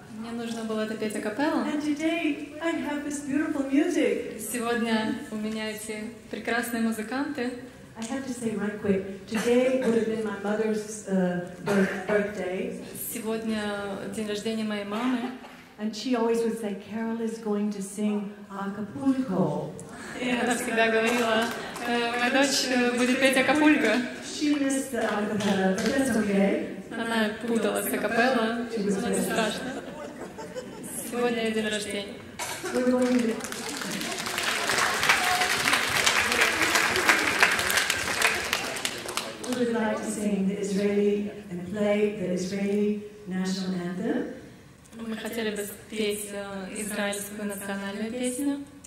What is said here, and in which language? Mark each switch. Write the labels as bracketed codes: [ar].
[ru] Мне нужно было это петь акапелла. [en] And today I have this beautiful music. [ru] Сегодня у меня эти прекрасные музыканты. [en] I have to say right quick. Today would have been my mother's birthday. [ru] Сегодня день рождения моей мамы. [en] And she always would say, "Carol is going to sing Acapulco." [ru] Она всегда говорила, моя дочь будет петь Acapulco. [en] She missed the acapella, but that's okay. [ru] Она путалась с акапелла, но не страшно. Сегодня день рождения. [en] We would like to sing the Israeli and play the Israeli national anthem. [ru] Мы хотели бы спеть израильскую национальную песню.